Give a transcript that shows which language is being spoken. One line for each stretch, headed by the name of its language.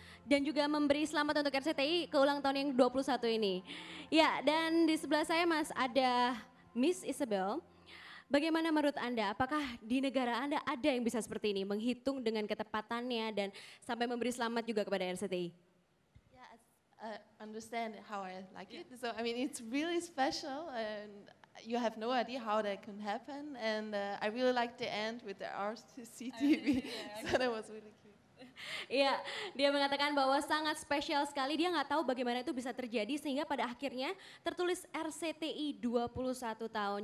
Indonesian: Dan juga memberi selamat untuk RCTI ke ulang tahun yang 21 ini. Ya, dan di sebelah saya Mas ada Miss Isabel. Bagaimana menurut Anda, apakah di negara Anda ada yang bisa seperti ini, menghitung dengan ketepatannya dan sampai memberi selamat juga kepada RCTI?
English: Yeah, I understand how I like it. So, I mean, it's really special and you have no idea how that can happen. And I really like the end with the RCTV, so that was really cute.
Indonesian: Iya, dia mengatakan bahwa sangat spesial sekali, dia gak tahu bagaimana itu bisa terjadi sehingga pada akhirnya tertulis RCTI 21 tahun.